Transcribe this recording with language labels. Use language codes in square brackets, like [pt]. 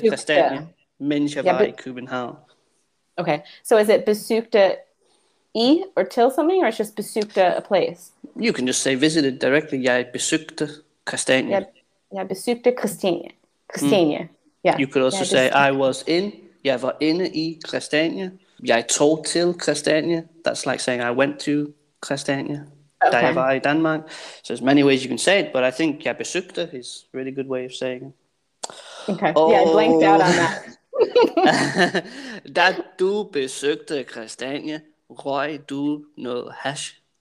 [da] Kristiania, mens jeg var i København. [en] Okay, so is it besøgte I or till something, or it's just besøgte a place? You can just say visited directly, [da] jeg besøgte Kristiania. Jeg besøgte Kristiania. [en] Yeah. You could also say, I was in, [da] jeg var inde I Kristiania, jeg tog til Kristiania. [en] That's like saying, I went to Kristiania, [da] da jeg var I Danmark. [en] So there's many ways you can say it, but I think [da] jeg besøgte [en] is a really good way of saying it. Okay, I blanked out on that. [da] Da du besøgte Kristiania, røg du noget hash?